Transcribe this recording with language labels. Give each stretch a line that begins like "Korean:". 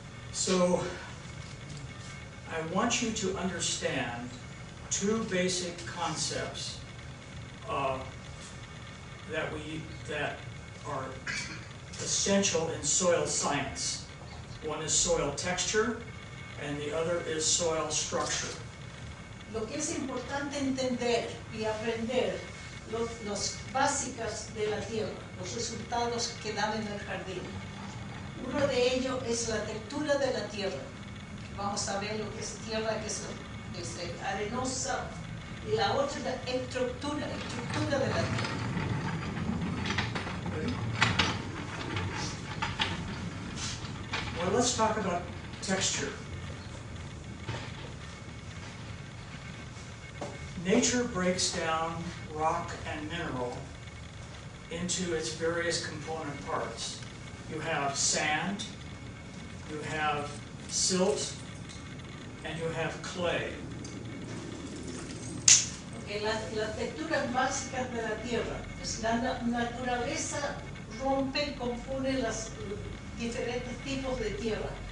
English: So, I want you to understand two basic concepts that are essential in soil science. One is soil texture, and the other is soil structure.
Spanish: Lo que es importante entender y aprender. Los básicas de la tierra, los resultados que dan en el jardín. Uno de ellos es la textura de la tierra. Vamos a ver lo que es tierra, que es arenosa. Y la otra es la estructura de la tierra.
English: Okay. Well, let's talk about texture. Nature breaks down rock and mineral into its various component parts. You have sand, you have silt, and you have clay.
Spanish: que las texturas básicas de la tierra, pues la naturaleza rompe y confunde los diferentes tipos de tierra.